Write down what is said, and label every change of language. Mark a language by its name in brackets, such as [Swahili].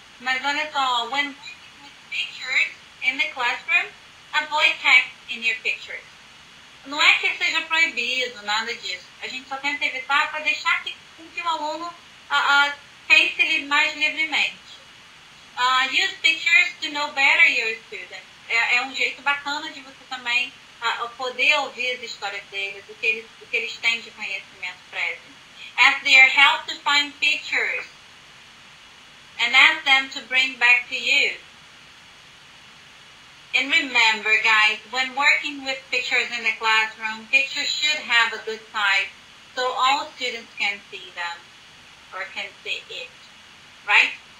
[Portuguese] Mas olha só, [English] when working with pictures in the classroom, avoid text in your pictures. [Portuguese] Não é que seja proibido, nada disso. A gente só tenta evitar para deixar com que o aluno pense mais livremente. [English] Use pictures to know better your students. [Portuguese] É um jeito bacana de você também poder ouvir as histórias deles, o que eles têm de conhecimento prévio. [English] Ask their help to find pictures and ask them to bring back to you. And remember, guys, when working with pictures in the classroom, pictures should have a good size so all students can see them or can see it, right?